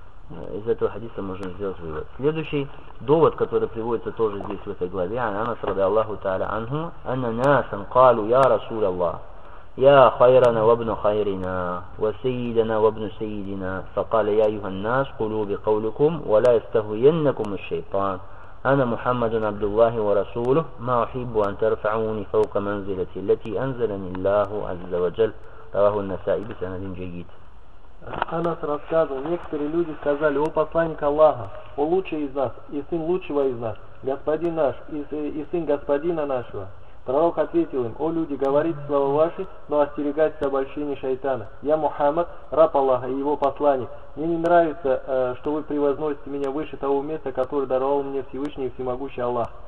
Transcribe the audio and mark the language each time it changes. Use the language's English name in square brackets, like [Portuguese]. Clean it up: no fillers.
[Russian] Из этого хадиса можно сделать вывод. Следующий довод, который приводится тоже здесь в этой главе, Анас [Arabic] ради Аллаху Та'аля анху, «Анна насан калу, я Расул Аллах, я хайрана вабну хайрина, ва сейидана вабну сейидина, факаля я юхан нас, кулю би кавликум, ва ла истахуеннакум ашшайтан». أنا محمد عبد الله ورسوله ما أحب أن ترفعوني فوق منزلتي التي أنزلني الله عز وجل رواه النسائي بسند جيد. [Russian] Анас рассказывал, некоторые люди сказали, о посланник Аллаха, о лучший из нас и сын лучшего из нас, господин наш и сын господина нашего. Пророк ответил им, о люди, говорите слова ваши, но остерегайтесь обольщений шайтана. Я Мухаммад, раб Аллаха и его посланник. Мне не нравится, что вы превозносите меня выше того места, которое даровал мне Всевышний и Всемогущий Аллах.